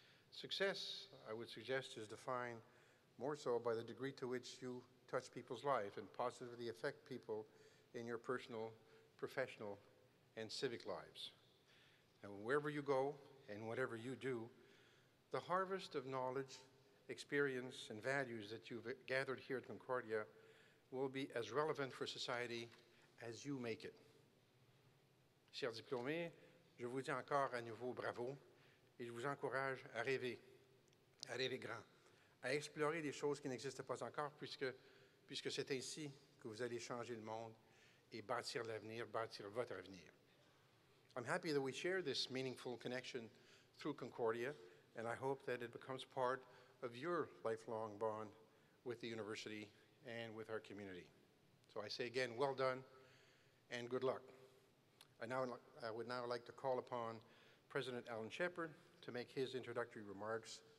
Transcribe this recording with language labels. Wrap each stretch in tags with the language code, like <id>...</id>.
<en>Success, I would suggest, is defined more so by the degree to which you touch people's life and positively affect people in your personal, professional, and civic lives. And wherever you go and whatever you do, the harvest of knowledge, experience, and values that you've gathered here at Concordia will be as relevant for society as you make it.</en> <fr>Chers diplômés, je vous dis encore à nouveau bravo et je vous encourage à rêver grand, à explorer des choses qui n'existent pas encore puisque c'est ainsi que vous allez changer le monde et bâtir l'avenir, bâtir votre avenir.</fr> <en>I'm happy that we share this meaningful connection through Concordia, and I hope that it becomes part of your lifelong bond with the university and with our community. So I say again, well done and good luck. I would now like to call upon President Alan Shepard to make his introductory remarks.</en>